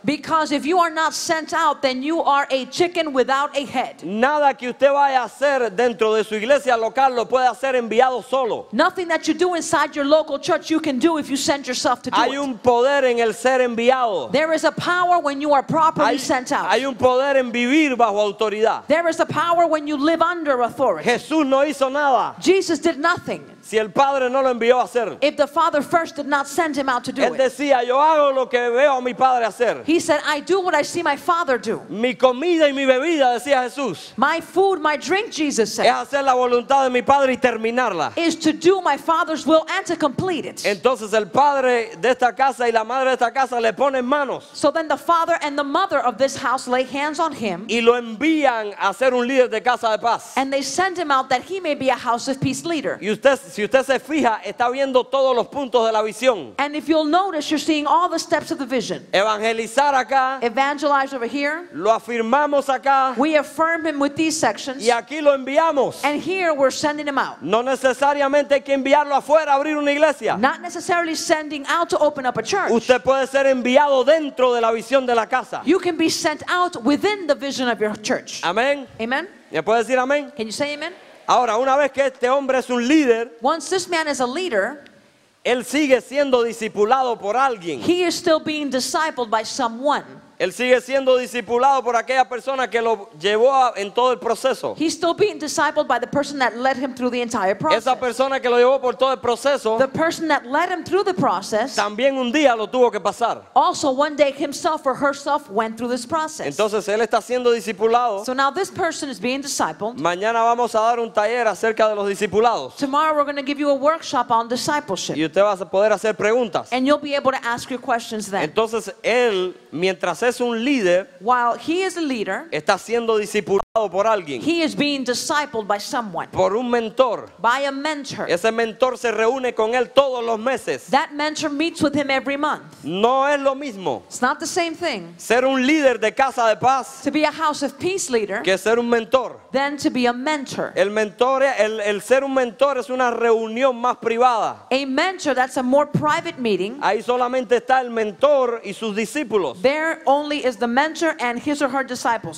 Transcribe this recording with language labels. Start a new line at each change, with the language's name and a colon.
English: Because if you are not sent out, then you are a chicken without a head.
Spanish: Nada que usted vaya a hacer dentro de su iglesia local lo puede hacer enviado solo.
English: Nothing that you do inside your local church you can do if you send yourself to do it.
Spanish: Hay un poder en el ser enviado.
English: There is a power when you are properly sent out.
Spanish: Hay un poder en vivir bajo autoridad.
English: There is a power when you live under authority.
Spanish: Jesús no hizo nada.
English: Jesus did nothing.
Spanish: Si el padre no lo envió a hacer.
English: If the father first did not send him out to do it.
Spanish: Él decía, yo hago lo que veo a mi padre hacer.
English: He said, I do what I see my father do.
Spanish: Mi comida y mi bebida, decía Jesús.
English: My food, my drink, Jesus said.
Spanish: Es hacer la voluntad de mi padre y terminarla.
English: Is to do my father's will and to complete it.
Spanish: Entonces el padre de esta casa y la madre de esta casa le ponen manos.
English: So then the father and the mother of this house lay hands on him.
Spanish: Y lo envían a ser un líder de casa de paz.
English: And they send him out that he may be a house of peace leader.
Spanish: Y usted, si usted se fija, está viendo todos los puntos de la visión.
English: And if you'll notice, you're seeing all the steps of the vision.
Spanish: Evangelizar acá.
English: Evangelize over here.
Spanish: Lo afirmamos acá.
English: We affirm him with these sections.
Spanish: Y aquí lo enviamos.
English: And here we're sending him out.
Spanish: No necesariamente hay que enviarlo afuera a abrir una iglesia.
English: Not necessarily sending out to open up a church.
Spanish: Usted puede ser enviado dentro de la visión de la casa.
English: You can be sent out within the vision of your church.
Spanish: Amén.
English: Amen.
Spanish: ¿Me puede decir amén?
English: Can you say amen?
Spanish: Ahora, una vez que este hombre es un líder,
English: once this man is a leader,
Spanish: él sigue siendo discipulado por alguien.
English: He is still being discipled by someone.
Spanish: Él sigue siendo discipulado por aquella persona que lo llevó en todo el proceso.
English: He's still being discipled by the person that led him through the entire process.
Spanish: Esa persona que lo llevó por todo el proceso,
English: the person that led him through the process,
Spanish: también un día lo tuvo que pasar.
English: Also one day himself or herself went through this process.
Spanish: Entonces él está siendo discipulado.
English: So now this person is being discipled.
Spanish: Mañana vamos a dar un taller acerca de los discipulados.
English: Tomorrow we're going to give you a workshop on discipleship.
Spanish: Y usted va a poder hacer preguntas.
English: And you'll be able to ask your questions then.
Spanish: Entonces él, mientras es un líder,
English: while he is a leader,
Spanish: está siendo discipulado por alguien.
English: He is being discipled by someone.
Spanish: Por un mentor.
English: By a mentor.
Spanish: Ese mentor se reúne con él todos los meses.
English: That mentor meets with him every month.
Spanish: No es lo mismo.
English: It's not the same thing.
Spanish: Ser un líder de casa de paz.
English: To be a house of peace leader.
Spanish: Que ser un mentor.
English: Than to be a mentor.
Spanish: El mentor, el ser un mentor es una reunión más privada.
English: A mentor, that's a more private meeting.
Spanish: Ahí solamente está el mentor y sus discípulos.
English: There only is the mentor and his or her disciples.